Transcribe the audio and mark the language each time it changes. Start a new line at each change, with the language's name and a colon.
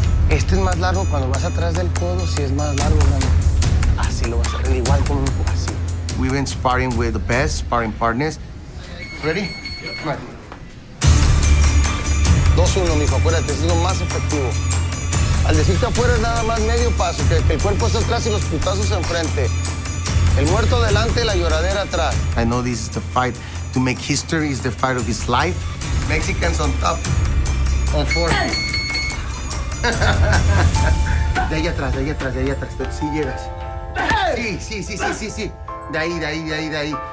Spanish: Este es más largo cuando vas atrás del codo, si es más largo, así lo vas a hacer, igual con un poco así.
English: We've been sparring with the best sparring partners. Ready? Come on.
Spanish: 2-1, mijo, acuérdate, es lo más efectivo. Al decirte afuera es nada más medio paso, que el cuerpo está atrás y los putazos enfrente. El muerto delante, la lloradera atrás.
English: I know this is the fight to make history, is the fight of his life. Mexicans on top. On four.
Spanish: De ahí atrás, de ahí atrás, de ahí atrás. Si sí llegas. Sí, sí, sí, sí, sí, sí. De ahí, de ahí, de ahí, de ahí.